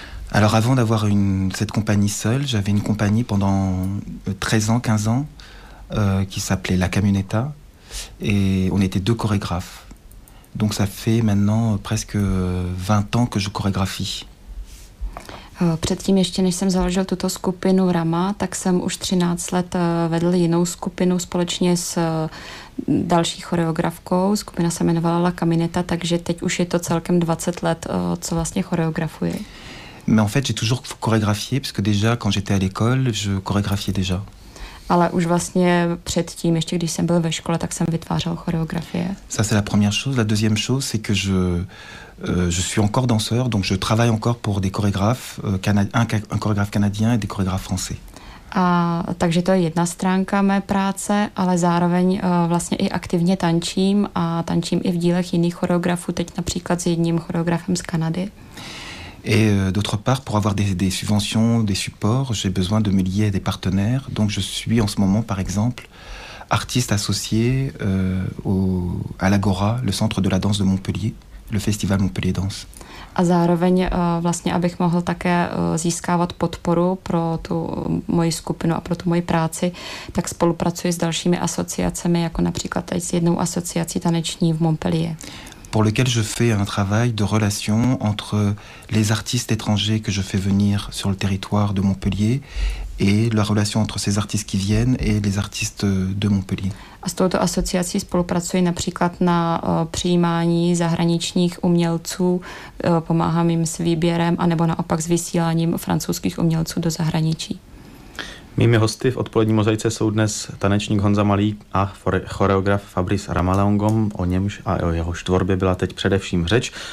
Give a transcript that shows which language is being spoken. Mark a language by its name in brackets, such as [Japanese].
[French] Alors avant d'avoir cette compagnie seule, j'avais une compagnie pendant 13 ans, 15 ans, qui s'appelait La Camioneta, et on était deux chorégraphes. Donc ça fait maintenant presque 20 ans que je chorégraphie. [Czech] Předtím, ještě než jsem založil tuto skupinu Rama, tak jsem už 13 let vedl jinou skupinu společně s další choreografkou. Skupina se jmenovala La Camioneta, takže teď už je to celkem 20 let, co vlastně choreografuji. [French] Mais en fait, j'ai toujours chorégraphié, parce que déjà quand j'étais à l'école, je chorégraphiais déjà. [Czech] Ale už vlastně předtím, ještě když jsem byl ve škole, tak jsem vytvářel choreografie. [French] Ça c'est la première chose. La deuxième chose, c'est que je suis encore danseur, donc je travaille encore pour des chorégraphes, un chorégraphe canadien et des chorégraphes français. [Czech] A takže to je jedna stránka mé práce, ale zároveň vlastně i aktivně tančím a tančím i v dílech jiných choreografů, teď například s jedním choreografem z Kanady. [French] Et d'autre part, pour avoir des subventions, des supports, j'ai besoin de me lier à des partenaires. Donc je suis en ce moment, par exemple, artiste associé à l'Agora, le centre de la danse de Montpellier, le festival Montpellier Danse. [Czech] A zároveň vlastně, abych mohl také získávat podporu pro tu moji skupinu a pro tu moji práci, tak spolupracuji s dalšími asociacemi, jako například tady s jednou asociací taneční v Montpellier. [French] Pour lequel je fais un travail de relation entre les artistes étrangers que je fais venir sur le territoire de Montpellier et la relation entre ces artistes qui viennent et les artistes de Montpellier. [Czech] A s touto asociací spolupracuji například na přijímání zahraničních umělců, pomáhám jim s výběrem anebo naopak s vysíláním francouzských umělců do zahraničí. Mými hosty v odpolední mozaice jsou dnes tanečník Honza Malý a choreograf Fabrice Ramaleongom, o němž a o jeho tvorbě byla teď především řeč.